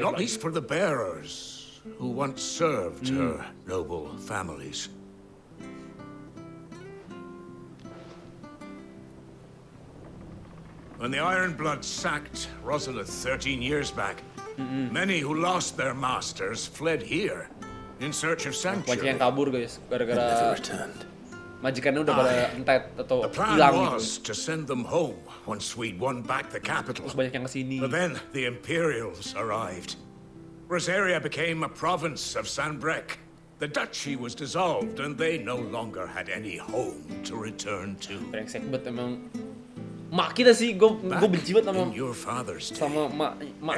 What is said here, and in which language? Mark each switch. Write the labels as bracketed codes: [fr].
[en] Not least for the bearers who once served her noble families. When the Ironblood sacked Rosalith 13 years back, many who lost their masters fled here. In search of sanctuary. [id] Yang kabur, guys, gara-gara majikannya udah pada entet atau hilang gitu. [en] To send them home once we'd won back the capital. [id] Terus banyak yang kesini. [en] But then the Imperials arrived. Rosaria became a province of Sanbrec. The duchy was dissolved and they no longer had any home to return to. [id] Brengsek banget emang. Mak kita sih, gue benci banget sama mak.